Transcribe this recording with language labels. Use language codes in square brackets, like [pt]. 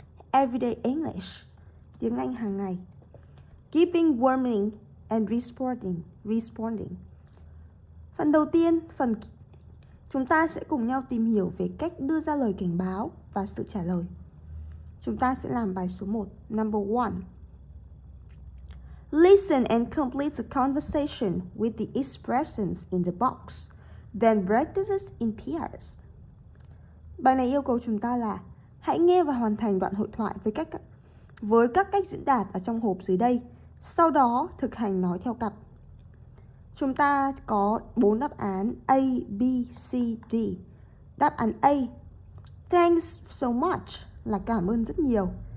[en] Everyday English, tiếng Anh hàng ngày. Giving warning and responding. [vi] Phần đầu tiên, chúng ta sẽ cùng nhau tìm hiểu về cách đưa ra lời cảnh báo và sự trả lời. Chúng ta sẽ làm bài số 1, number 1. [en] Listen and complete the conversation with the expressions in the box, then practice in pairs. [vi] Bài này yêu cầu chúng ta là hãy nghe và hoàn thành đoạn hội thoại với các cách diễn đạt ở trong hộp dưới đây. Sau đó thực hành nói theo cặp. Chúng ta có 4 đáp án A, B, C, D. Đáp án A, thanks so much, là cảm ơn rất nhiều.